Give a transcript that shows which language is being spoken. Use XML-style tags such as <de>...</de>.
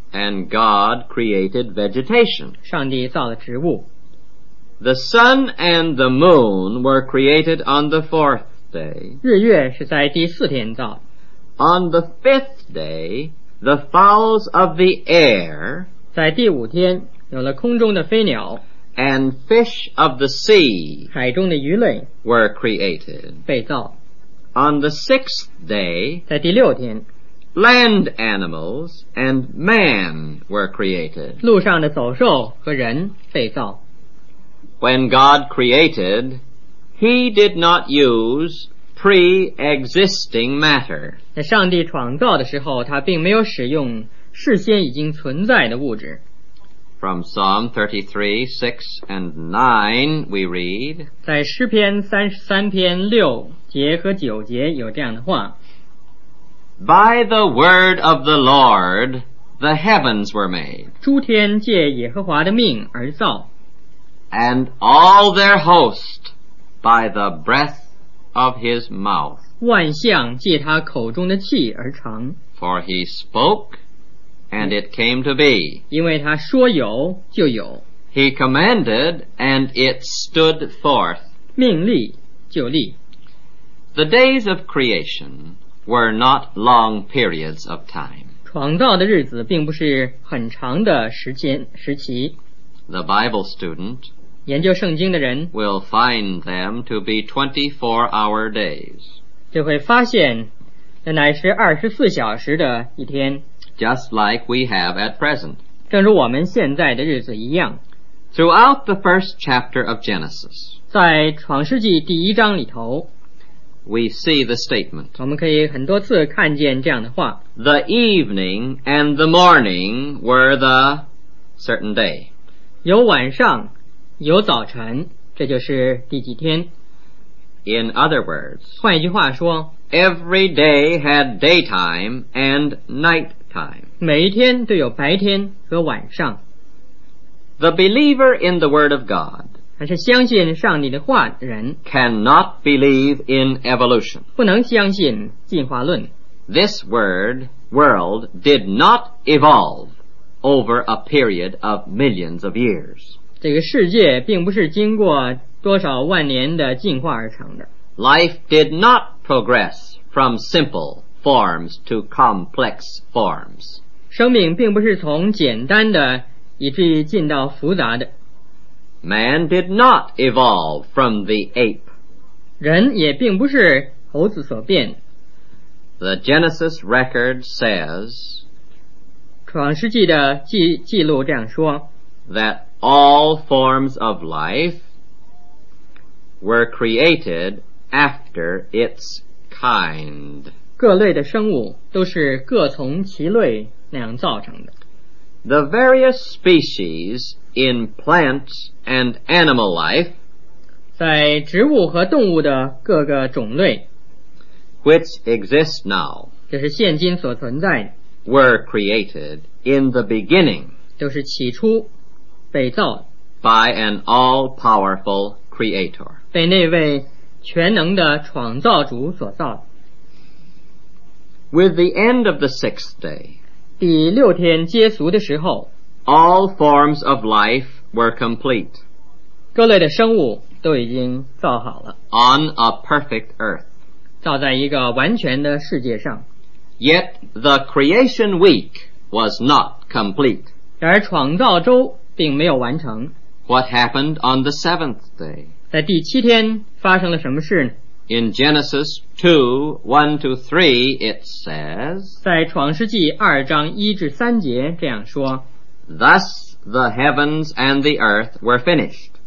<en>And God created vegetation.</en> <zh>上帝造了植物。</zh> <en>The sun and the moon were created on the fourth day.</en> <zh>日月是在第四天造。</zh> <en>On the fifth day, the fowls of the air,</en> <zh>在第五天有了空中的飞鸟</zh> <en>and fish of the sea,</en> <zh>海中的鱼类</zh> <en>were created,</en> <zh>被造。</zh> <en>On the sixth day,</en> <zh>在第六天</zh> <en>land animals and man were created,</en> <zh>路上的走兽和人被造。</zh> <en>When God created, he did not use pre-existing matter.</en> <zh>在上帝创造的时候他并没有使用事先已经存在的物质。</zh> <en>From Psalm 33, 6 and 9 we read,</en> <zh>在诗篇33篇6节和9节有这样的话。</zh> <en>By the word of the Lord, the heavens were made.</en> <zh>诸天借耶和华的命而造。</zh> <en>And all their host by the breath of his mouth.</en> <zh>万象借他口中的气而成。</zh> <en>For he spoke, and it came to be.</en> <zh>因为他说有就有。</zh> <en>He commanded, and it stood forth.</en> <zh>命立就立。</zh> <en>The days of creation were not long periods of time.</en> <zh>创造的日子并不是很长的时期。</zh> <en>The Bible student</en> <zh>研究圣经的人</zh> <en>will find them to be 24 hour days.</en> <zh>就会发现那乃是24小时的一天。</zh> <en>Just like we have at present.</en> <zh>正如我们现在的日子一样。</zh> <en>Throughout the first chapter of Genesis,</en> <zh>在创世纪第一章里头</zh> <en>we see the statement.</en> <zh>我们可以很多次看见这样的话。</zh> <en>The evening and the morning were the certain day.</en> <zh>有晚上有早晨这就是第几天</zh> <en>In other words,</en> <zh>换一句话说,</zh> <en>every day had daytime and nighttime.</en> <zh>每一天都有白天和晚上。</zh> <en>The believer in the Word of God</en> <zh>还是相信上帝的话的人,</zh> <en>cannot believe in evolution.</en> <zh>不能相信进化论。</zh> <en>This word, world, did not evolve over a period of millions of years.</en> <zh>这个世界并不是经过多少万年的进化而成的。</zh> <en>Life did not progress from simple forms to complex forms.</en> <zh>生命并不是从简单的以至于进到复杂的。</zh> <en>Man did not evolve from the ape.</en> <zh>人也并不是猴子所变。</zh> <en>The Genesis record says,</en> <zh>创世纪的记录这样说,</zh> <en>that all forms of life were created after its kind.</en> <zh>各类的生物都是各从其类那样造成的。</zh> <en>The various species in plants and animal life,</en> <zh>在植物和动物的各个种类,</zh> <en>which exist now,</en> <zh>这是现今所存在的,</zh> <en>were created in the beginning,</en> <zh>都是起初被造的,</zh> <en>by an all-powerful creator.</en> <zh>被那位全能的创造主所造。</zh> <en>With the end of the sixth day,</en> <zh>第六天结束的时候,</zh> <en>all forms of life were complete.</en> <zh>各类的生物都已经造好了。</zh> <en>On a perfect earth,</en> <zh>造在一个完全的世界上。</zh> <en>Yet the creation week was not complete.</en> <zh>然而创造周并没有完成。</zh> <en>What happened on the seventh day?</en> <zh>在第七天发生了什么事呢?</zh> <en>In Genesis 2:1-3, it says,</en> <zh>在创世纪二章一至三节这样说,</zh> <en>Thus the heavens and the earth were finished,</en>